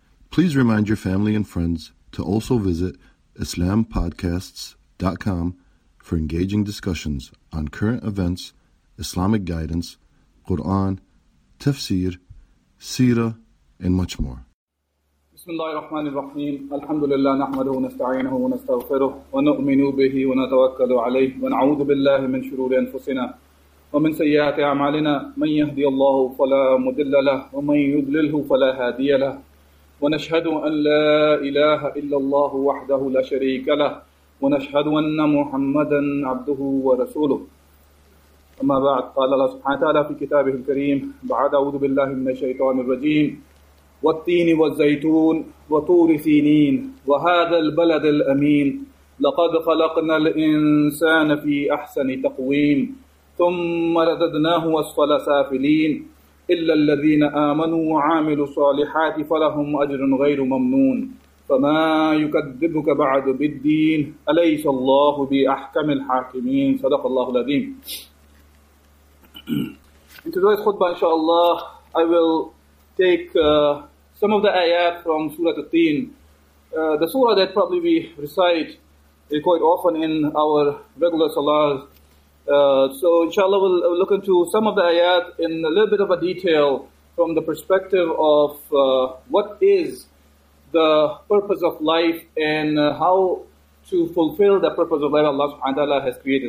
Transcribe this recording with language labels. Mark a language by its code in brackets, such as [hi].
[en] Please remind your family and friends to also visit IslamPodcasts.com for engaging discussions on current events, Islamic guidance, Quran, tafsir, seerah, and much more. [ar] بسم الله الرحمن الرحيم الحمد لله نحمده ونستعينه ونستغفره ونؤمن به ونتوكل عليه ونعوذ بالله من شرور أنفسنا ومن سيئات أعمالنا من يهدي الله فلا مضل له ومن يضلله فلا هادي له ونشهد أن لا إله إلا الله وحده لا شريك له ونشهد أن محمدا عبده ورسوله أما بعد قال الله سبحانه وتعالى في كتابه الكريم بعد أعوذ بالله من الشيطان الرجيم والتين والزيتون وطور سينين وهذا البلد الأمين لقد خلقنا الإنسان في أحسن تقويم ثم رددناه أسفل سافلين إلا الذين آمنوا وعملوا الصالحات فلهم أجر غير ممنون فما يكذبك بعد بالدين أليس الله بأحكم الحاكمين صدق الله العظيم. [en] In today's khutbah, inshallah, I will take some of the ayat from Surah At-Tin, the surah that probably we recite quite often in our regular salahs. So inshallah, we'll look into some of the ayat in a little bit of a detail from the perspective of what is the purpose of life and how to fulfill the purpose of life Allah subhanahu wa ta'ala has created.